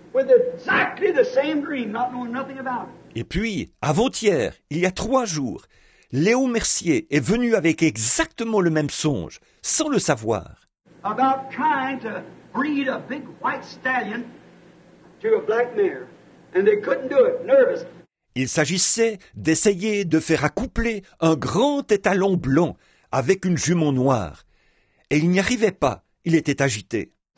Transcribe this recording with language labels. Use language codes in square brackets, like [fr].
[en] With exactly the same dream, not knowing nothing about it. [fr] Et puis, avant-hier, il y a 3 jours, Léo Mercier est venu avec exactement le même songe, sans le savoir. [en] About trying to breed a big white stallion to a black mare, and they couldn't do it, nervous. [fr] Il s'agissait d'essayer de faire accoupler un grand étalon blanc avec une jument noire, et il n'y arrivait pas, il était agité.